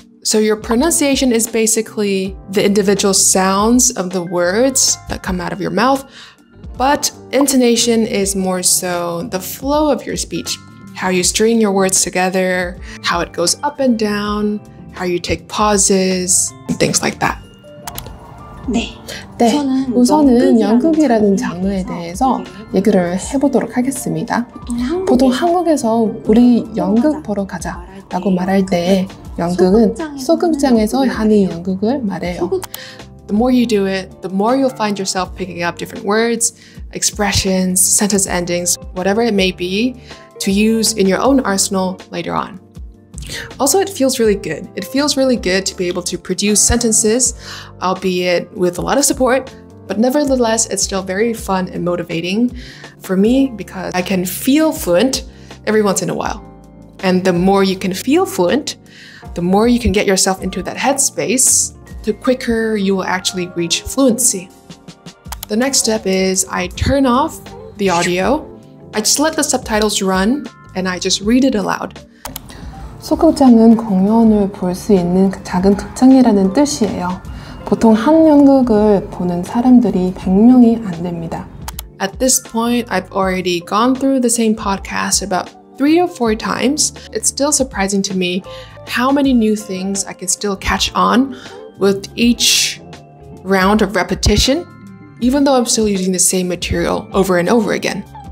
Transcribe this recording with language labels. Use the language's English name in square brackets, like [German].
[English] So your pronunciation is basically the individual sounds of the words that come out of your mouth, but intonation is more so the flow of your speech, how you string your words together, how it goes up and down, how you take pauses, and things like that. [Korean] 네. 네. 우선은 연극이라는 장르에 대해서 얘기를 해보도록 하겠습니다. 보통 한국에서 우리 연극 보러 가자 라고 말할 때 연극은 소극장에서 하는 연극을 말해요. [English] The more you do it, the more you'll find yourself picking up different words, expressions, sentence endings, whatever it may be, to use in your own arsenal later on. Also, it feels really good. It feels really good to be able to produce sentences, albeit with a lot of support, but nevertheless, it's still very fun and motivating for me because I can feel fluent every once in a while. And the more you can feel fluent, the more you can get yourself into that headspace to the quicker you will actually reach fluency. The next step is I turn off the audio. I just let the subtitles run and I just read it aloud. [Korean] 소극장은 공연을 볼 수 있는 작은 극장이라는 뜻이에요. 보통 한 연극을 보는 사람들이 100명이 안 됩니다. [English] At this point, I've already gone through the same podcast about 3 or 4 times. It's still surprising to me how many new things I can still catch on with each round of repetition, even though I'm still using the same material over and over again.